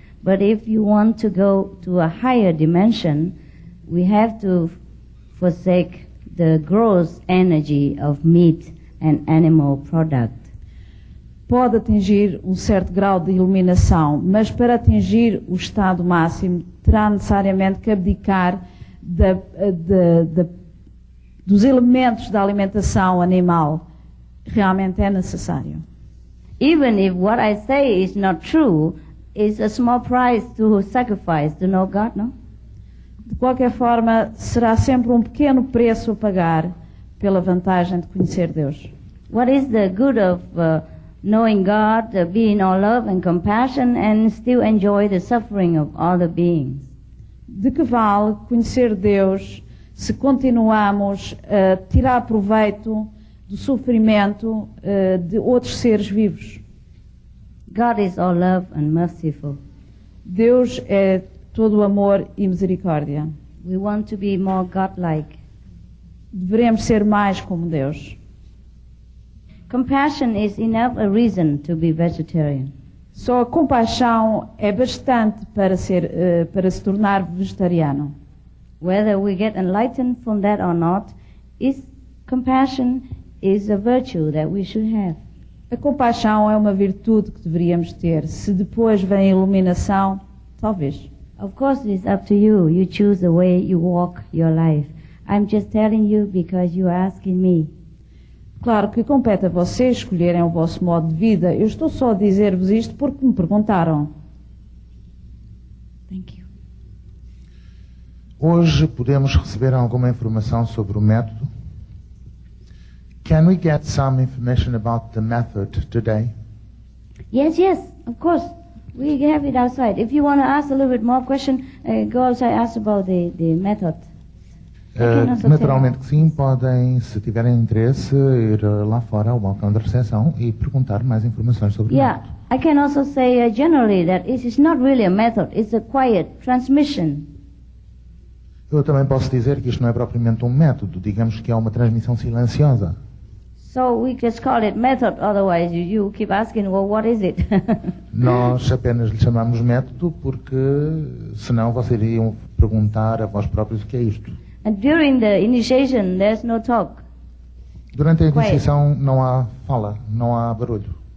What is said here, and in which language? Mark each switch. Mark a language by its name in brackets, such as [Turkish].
[English] But if you want to go to a higher dimension, we have to forsake the gross energy of meat and animal product. [Portuguese] Pode atingir certo grau de iluminação, mas para atingir o estado máximo, terá necessariamente que abdicar dos elementos da alimentação animal. Realmente é necessário. [English] Even if what I say is not true, it's a small price to sacrifice to know God, no? [Portuguese] De qualquer forma, será sempre pequeno preço a pagar pela vantagem de conhecer Deus. [English] What is the good of knowing God, being all love and compassion, and still enjoy the suffering of other beings. [Portuguese] De que vale conhecer Deus se continuamos a tirar proveito do sofrimento de outros seres vivos? [English] God is all love and merciful. [Portuguese] Deus é todo amor e misericórdia. [English] We want to be more God-like. [Portuguese] Deveremos ser mais como Deus. [English] Compassion is enough a reason to be vegetarian. [Portuguese] Só a compaixão é bastante para ser para se tornar vegetariano. [English] Whether we get enlightened from that or not, is compassion is a virtue that we should have. [Portuguese] A compaixão é uma virtude que deveríamos ter. Se depois vem a iluminação, talvez. [English] Of course, it's up to you. You choose the way you walk your life. I'm just telling you because you're asking me. [Portuguese] Claro que compete a vocês escolherem o vosso modo de vida. Eu estou só a dizer-vos isto porque me perguntaram. [English] Thank you. [Portuguese] Hoje podemos receber alguma informação sobre o método? [English] Can we get some information about the method today? Yes, yes, of course. We have it outside. If you want to ask a little bit more question, go outside and ask about the method. [Portuguese] Naturalmente que sim, podem, se tiverem interesse, ir lá fora ao balcão da recepção e perguntar mais informações sobre o [English] yeah, [Portuguese] método. [English] Yeah, I can also say generally that it is not really a method, it's a quiet transmission. [Portuguese] Eu também posso dizer que isto não é propriamente método, digamos que é uma transmissão silenciosa. [English] So we just call it method, otherwise you keep asking, well, what is it? [Portuguese] Nós apenas lhe chamamos método porque senão vocês iriam perguntar a vós próprios o que é isto. [English] And during the initiation, there's no talk. [Portuguese] Durante a iniciação não há fala, não há barulho.